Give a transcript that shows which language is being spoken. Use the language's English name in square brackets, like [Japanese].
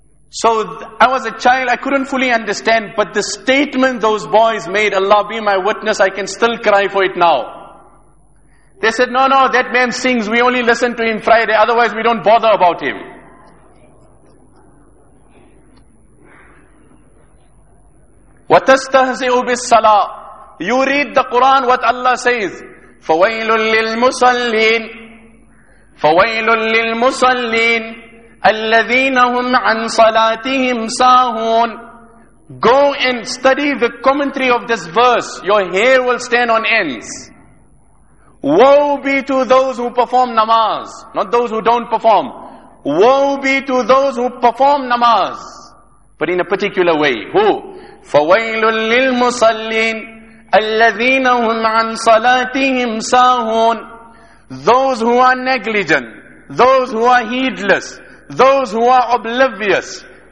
[English] So I was a child, I couldn't fully understand. But the statement those boys made, Allah be my witness, I can still cry for it now. They said, no, no, that man sings. We only listen to him Friday. Otherwise, we don't bother about him. [Arabic] وَتَسْتَهْزِئُ بِالصَّلَاةِ [English] You read the Quran, what Allah says. [Arabic] فَوَيْلٌ لِلْمُصَلِّينَ فَوَيْلٌ لِلْمُصَلِّينَ الَّذِينَ هُمْ عَنْ صَلَاتِهِمْ سَاهُونَ [English] Go and study the commentary of this verse. Your hair will stand on ends. Woe be to those who perform namaz. Not those who don't perform. Woe be to those who perform namaz. But in a particular way. Who? [Arabic] فَوَيْلٌ لِلْمُصَلِّينَ الَّذِينَ هُمْ عَنْ صَلَاتِهِمْ سَاهُونَ [English] Those who are negligent, those who are heedless, those who are oblivious.